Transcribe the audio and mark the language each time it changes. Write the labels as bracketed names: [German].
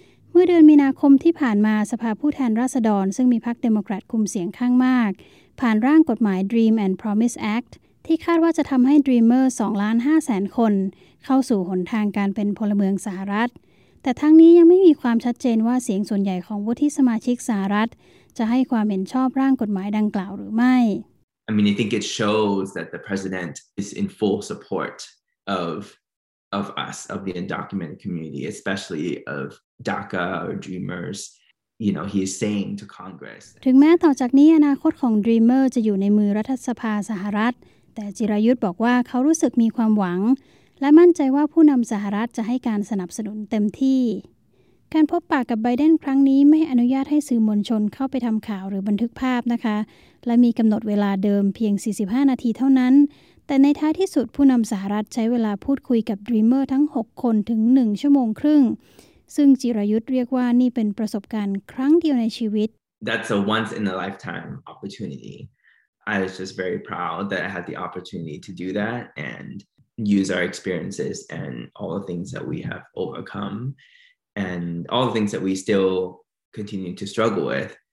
[Thai] เมื่อเดือนมีนาคมที่ผ่านมาสภาผู้แทนราษฎรซึ่งมีพรรคเดโมแครตคุมเสียงข้างมากผ่านร่างกฎหมาย Dream and Promise Act ที่คาดว่าจะทำให้ Dreamer 2.5 ล้านคนเข้าสู่หนทางการเป็นพลเมืองสหรัฐแต่ทั้งนี้ยังไม่มีความชัดเจนว่าเสียงส่วนใหญ่ของวุฒิสมาชิกสหรัฐจะให้ความเห็นชอบร่างกฎหมายดังกล่าวหรือไม่ [English] I mean I think it shows that the president is in full support of us of the undocumented community especially of DACA or Dreamers you know he is saying to Congress [Thai] ถึงแม้ต่อจากนี้อนาคตของ Dreamer จะอยู่ในมือรัฐสภาสหรัฐแต่จิรายุทธบอกว่าเขารู้สึกมีความหวังและมั่นใจว่าผู้นำสหรัฐจะให้การสนับสนุนเต็มที่ การพบปะกับไบเดนครั้งนี้ไม่อนุญาตให้สื่อมวลชนเข้าไปทำข่าวหรือบันทึกภาพนะคะและมีกำหนดเวลาเดิมเพียง45นาทีเท่านั้นแต่ในท้ายที่สุดผู้นำสหรัฐใช้เวลาพูดคุยกับดรีมเมอร์ทั้ง6คนถึง1ชั่วโมงครึ่งซึ่งจิรยุทธเรียกว่านี่เป็นประสบการณ์ครั้งเดียวในชีวิต [English] That's a once in a lifetime opportunity. I was just very proud that I had the opportunity to do that and use our experiences and all the things that we have overcome and all the things that we still continue to struggle with.